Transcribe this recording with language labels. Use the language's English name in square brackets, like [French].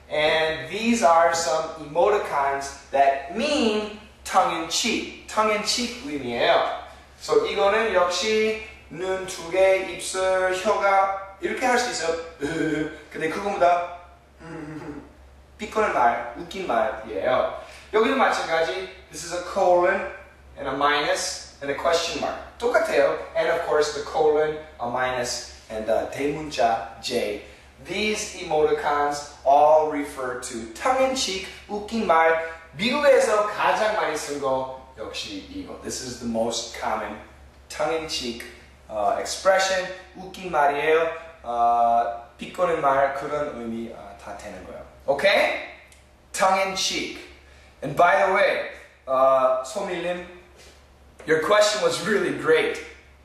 [English] And these are some emoticons that mean tongue-in-cheek. Tongue-in-cheek 의미예요. [Korean] So 이거는 역시 눈 두 개, 입술, 혀가 이렇게 할 수 있어요. 근데 그거보다 피곤한 말, 웃긴 말이에요. 여기도 마찬가지. [English] This is a colon and a minus and a question mark. 똑같아요. And of course the colon, a minus, and the 대문자 J. These emoticons all refer to tongue-in-cheek, 웃긴 말. [Korean] 미국에서 가장 많이 쓴 거 역시 이거. [English] This is the most common tongue-in-cheek expression. [Korean] 웃긴 말이에요. 피곤한 말 그런 의미 다 되는 거예요. [English] Okay? Tongue-in-cheek. And by the way, 소밀림, your question was really great.